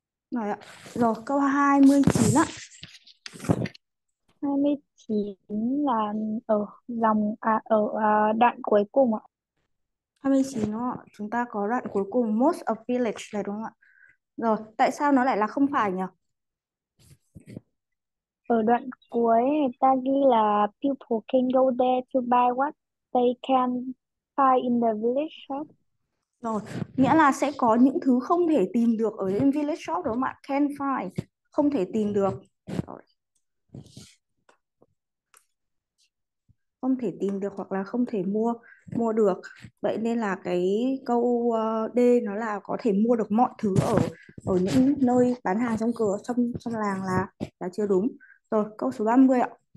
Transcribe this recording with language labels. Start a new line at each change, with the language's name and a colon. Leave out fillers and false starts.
Vietnamese: Rồi ạ. Rồi, câu 29 ạ. 29 là ở dòng à, ở đoạn cuối cùng ạ. 29 đúng không ạ? Chúng ta có đoạn cuối cùng
English: most of village
Vietnamese: này đúng không ạ? Rồi, tại sao nó lại là không phải nhỉ? Ở đoạn cuối ta ghi là
English: people can go there to buy what they can find in the village shop.
Vietnamese: Rồi, nghĩa là sẽ có những thứ không thể tìm được ở trên village shop đúng không ạ?
English: Can't find,
Vietnamese: không thể tìm được. Không thể tìm được hoặc là không thể mua mua được. Vậy nên là cái câu D nó là có thể mua được mọi thứ ở ở những nơi bán hàng trong cửa trong trong làng là chưa đúng. Rồi, câu số 30 ạ.